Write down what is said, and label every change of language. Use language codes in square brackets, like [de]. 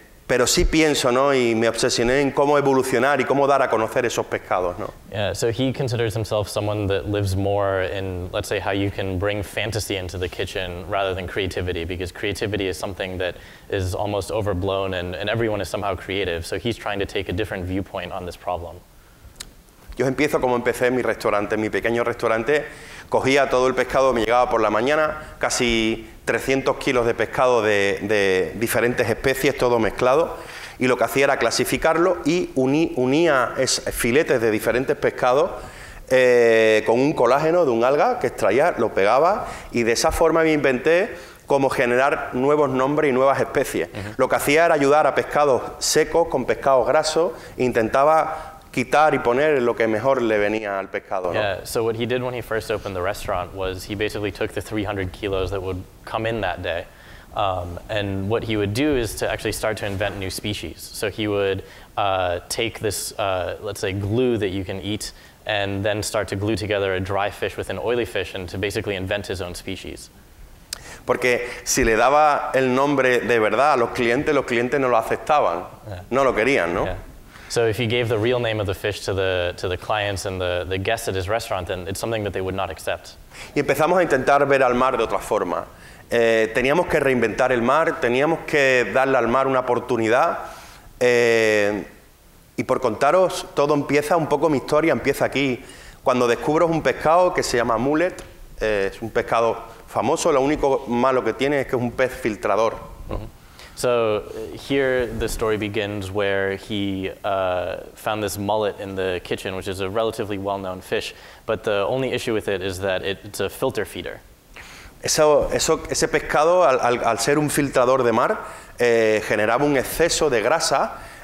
[es] Pero sí pienso, ¿no? Y me obsesioné en cómo evolucionar y cómo dar a conocer esos pescados, ¿no? [en] Yeah, so he considers himself someone that lives more in, let's say, how you can bring fantasy into the kitchen rather than creativity, because creativity is something that is almost overblown and everyone is somehow creative. So he's trying to take a different viewpoint on this problem. [es] Yo empiezo como empecé en mi restaurante, en mi pequeño restaurante. Cogía todo el pescado, me llegaba por la mañana, casi 300 kilos de pescado de diferentes especies, todo mezclado. Y lo que hacía era clasificarlo y unía filetes de diferentes pescados con un colágeno de un alga que extraía, lo pegaba. Y de esa forma me inventé cómo generar nuevos nombres y nuevas especies. Lo que hacía era ayudar a pescados secos con pescados grasos. Intentaba quitar y poner lo que mejor le venía al pescado, ¿no? [en] Yeah, so what he did when he first opened the restaurant was he basically took the 300 kilos that would come in that day, and what he would do is to actually start to invent new species. So he would take this, let's say, glue that you can eat, and then start to glue together a dry fish with an oily fish, and to basically invent his own species. [es] Porque si le daba el nombre de verdad a los clientes no lo aceptaban. Yeah. No lo querían, ¿no? Yeah. [en] So if he gave the real name of the fish to the clients and the guests at his restaurant, then it's something that they would not accept. [es] Y empezamos a intentar ver al mar de otra forma. Teníamos que reinventar el mar, teníamos que darle al mar una oportunidad. Y por contaros, todo empieza un poco, mi historia empieza aquí. Cuando descubro un pescado que se llama mullet, es un pescado famoso, lo único malo que tiene es que es un pez filtrador. Uh-huh. [en] So here the story begins where he found this mullet in the kitchen, which is a relatively well-known fish, but the only issue with it is that it's a filter feeder. [es] Ese pescado, al ser un filtrador de mar, generaba un exceso de grasa.